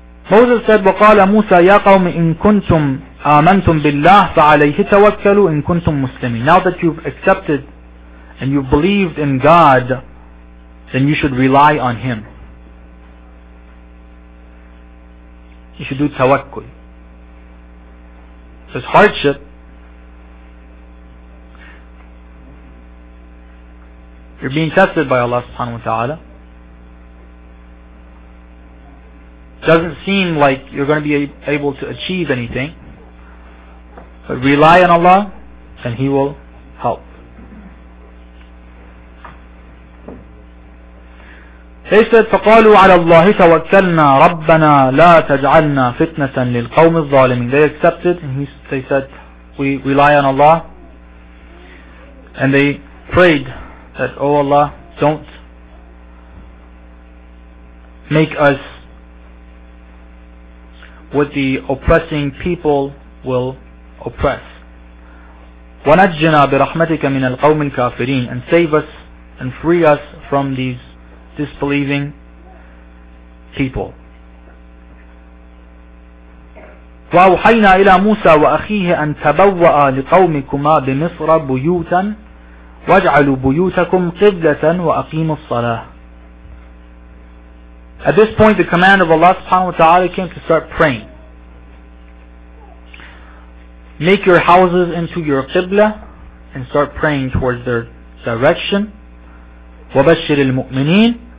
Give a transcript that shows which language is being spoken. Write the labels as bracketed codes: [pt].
[en] Moses said, [ar] وَقَالَ مُوسَى يَا قَوْمِ إِن كُنْتُمْ آمَنْتُمْ بِاللَّهِ فَعَلَيْهِ تَوَكَّلُوا إِن كُنْتُمْ مُسْلِمِينَ. [en] Now that you've accepted and you've believed in God, then you should rely on Him. You should do tawakkul. This hardship, you're being tested by Allah subhanahu wa ta'ala. Doesn't seem like you're going to be able to achieve anything. But rely on Allah and He will help. They said, [ar] فَقَالُوا عَلَى اللَّهِ تَوَكَّلْنَا رَبَّنَا لَا تَجْعَلْنَا فِتْنَةً لِلْقَوْمِ الظَّالِمِينَ. [en] They accepted and they said, we rely on Allah. And they prayed that, O Allah, don't make us what the oppressing people will oppress. [ar] وَنَجِّنَا بِرَحْمَتِكَ مِنَ الْقَوْمِ الْكَافِرِينَ. [en] And save us and free us from these disbelieving people. [ar] وأوحينا إلى موسى وأخيه أن تبوأ لقومكما بمصر بيوتا واجعلوا بيوتكم قبلة وأقيموا الصلاة. [en] At this point, the command of Allah subhanahu wa ta'ala came to start praying. Make your houses into your qibla and start praying towards their direction. [ar] وَبَشِّرِ الْمُؤْمِنِينَ.